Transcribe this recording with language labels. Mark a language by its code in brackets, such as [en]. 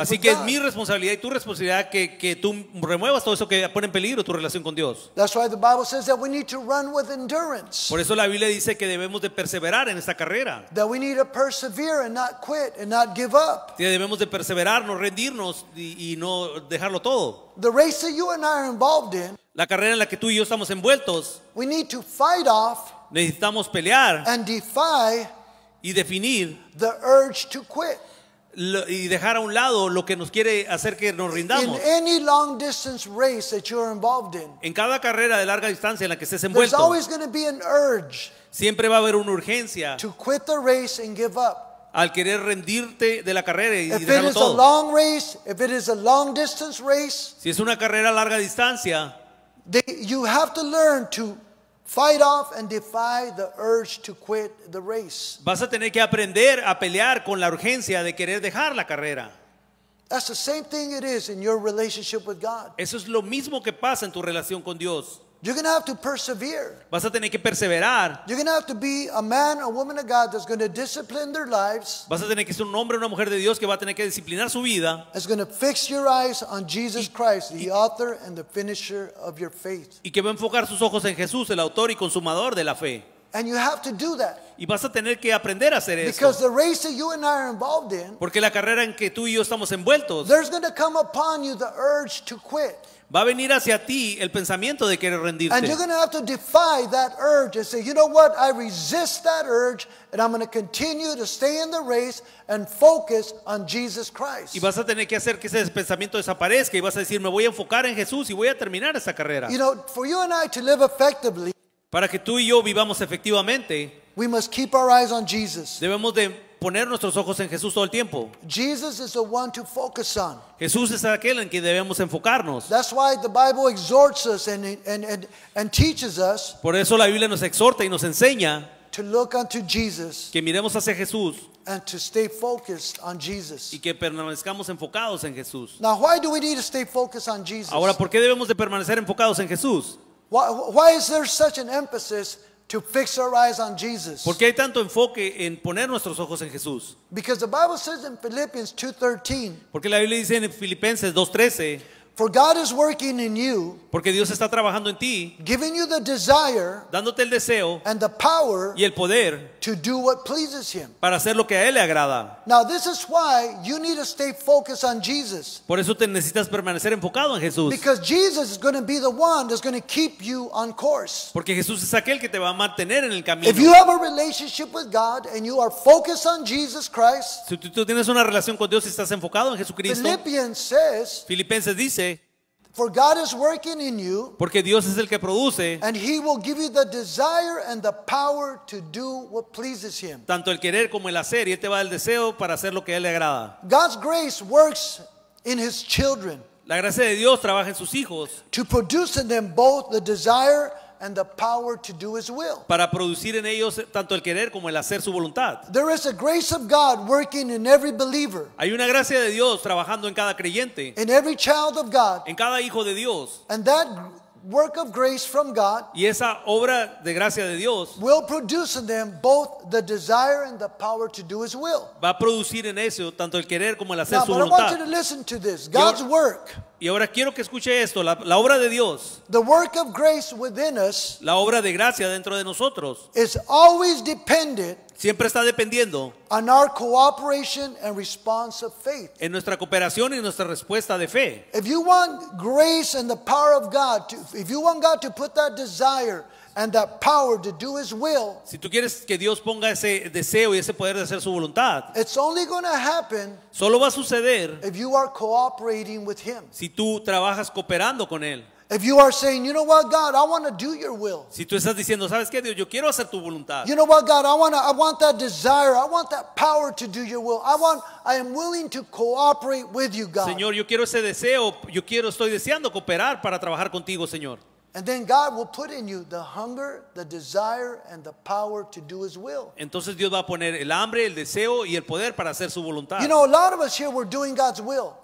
[en] with God. [es] Así que es mi responsabilidad y tu responsabilidad que tú remuevas todo eso que pone en peligro tu relación con Dios. [en] That's why the Bible says that we need to run with endurance. [es] Por eso la Biblia dice que debemos de perseverar en esta carrera. [en] That we need to persevere and not quit and not give up. [es] Que debemos de perseverar, no rendirnos y no dejarlo todo. [en] The race that you and I are involved in. [es] La carrera en la que tú y yo estamos envueltos. [en] We need to fight off. [es] Necesitamos pelear. [en] And defy. [es] Y definir [en] the urge to quit. [es] Y dejar a un lado lo que nos quiere hacer que nos rindamos. [en] In any long distance race that you're involved in, [es] en cada carrera de larga distancia en la que estés envuelto, [en] there's always going to be an urge, [es] siempre va a haber una urgencia [en] to quit the race and give up. [es] Al querer rendirte de la carrera y [en] if [es] dejarlo [en] it is [es] todo. [en] A long race, if it is a long distance race, [es] si es una carrera a larga distancia, [en] you have to learn to fight off and defy the urge to quit the race. [es] Vas a tener que aprender a pelear con la urgencia de querer dejar la carrera. [en] That's the same thing it is in your relationship with God. [es] Eso es lo mismo que pasa en tu relación con Dios. [en] You're going to have to persevere. [es] Vas a tener que perseverar. [en] You're going to have to be a man, a woman of God that's going to discipline their lives. [es] Vas a tener que ser un hombre o una mujer de Dios que va a tener que disciplinar su vida. [en] It's going to fix your eyes on Jesus Christ, the author and the finisher of your faith. [es] Y que va a enfocar sus ojos en Jesús, el autor y consumador de la fe. [en] And you have to do that. [es] Y vas a tener que aprender a hacer eso. [en] Because the race that you and I are involved in. [es] Porque la carrera en que tú y yo estamos envueltos. [en] There's going to come upon you the urge to quit. [es] Va a venir hacia ti el pensamiento de querer rendirte. [en] And you're going to have to defy that urge and say, you know what, I resist that urge and I'm going to continue to stay in the race and focus on Jesus Christ. [es] Y vas a tener que hacer que ese pensamiento desaparezca y vas a decir, me voy a enfocar en Jesús y voy a terminar esa carrera. [en] You know, for you and I to live effectively, [es] para que tú y yo vivamos efectivamente, [en] we must keep our eyes on Jesus. [es] Debemos de poner nuestros ojos en Jesús todo el tiempo. [en] Jesus is the one to focus on. [es] Jesús es aquel en quien debemos enfocarnos. [en] That's why the Bible exhorts us and teaches us. [es] Por eso la Biblia nos exhorta y nos enseña [en] to look unto Jesus. [es] Que miremos hacia Jesús. [en] and to stay focused on Jesus. [es] Y que permanezcamos enfocados en Jesús. [en] Now, why do we need to stay focused on Jesus? [es] Ahora, ¿por qué debemos de permanecer enfocados en Jesús? [en] Why is there such an emphasis to fix our eyes on Jesus? [es] ¿Por qué hay tanto enfoque en poner nuestros ojos en Jesús? [en] Because the Bible says in Philippians 2:13. [es] Porque la Biblia dice en Filipenses 2:13. [en] For God is working in you, [es] porque Dios está trabajando en ti, [en] giving you the desire, [es] dándote el deseo, [en] and the power, [es] y el poder, [en] to do what pleases him, [es] para hacer lo que a él le agrada. [en] Now this is why you need to stay focused on Jesus. [es] Por eso te necesitas permanecer enfocado en Jesús. [en] Because Jesus is going to be the one that's going to keep you on course. [es] Porque Jesús es aquel que te va a mantener en el camino. [en] If you have a relationship with God and you are focused on Jesus Christ, [es] si tú tienes una relación con Dios y estás enfocado en Jesucristo, Filipenses dice, [en] for God is working in you, [es] porque Dios es el que produce, [en] and he will give you the desire and the power to do what pleases him. [es] Tanto el querer como el hacer, y él te va el deseo para hacer lo que a él le agrada. [en] God's grace works in his children. [es] La gracia de Dios trabaja en sus hijos. [en] To produce in them both the desire and the power to do his will. [es] Para producir en ellos tanto el querer como el hacer su voluntad. [en] There is a grace of God working in every believer. [es] Hay una gracia de Dios trabajando en cada creyente. [en] In every child of God. [es] En cada hijo de Dios. [en] And that work of grace from God. [es] Y esa obra de gracia de Dios. [en] Will produce in them both the desire and the power to do his will. [es] Va a producir en eso tanto el querer como el hacer [en] now, [es] su voluntad. [en] Now I want you to listen to this. God's work. [es] Y ahora quiero que escuche esto, la obra de Dios. [en] The work of grace within us. [es] La obra de gracia dentro de nosotros. [en] Is always dependent. [es] Siempre está dependiendo. [en] On our cooperation and response of faith. [es] En nuestra cooperación y nuestra respuesta de fe. [en] If you want grace and the power of God to, if you want God to put that desire and that power to do his will. [es] Si tú quieres que Dios ponga ese deseo y ese poder de hacer su voluntad. [en] It's only going to happen. [es] Solo va a suceder. [en] If you are cooperating with him. [es] Si tú trabajas cooperando con él. [en] If you are saying, you know what, God, I want to do your will. [es] Si tú estás diciendo, ¿sabes qué, Dios? Yo quiero hacer tu voluntad. [en] You know what, God, I want that desire. I want that power to do your will. I am willing to cooperate with you, God. [es] Señor, yo quiero ese deseo. Estoy deseando cooperar para trabajar contigo, Señor. [en] And then God will put in you the hunger, the desire, and the power to do his will. [es] Entonces Dios va a poner el hambre, el deseo y el poder para hacer su voluntad. [en] You know, a lot of us here we're doing God's will.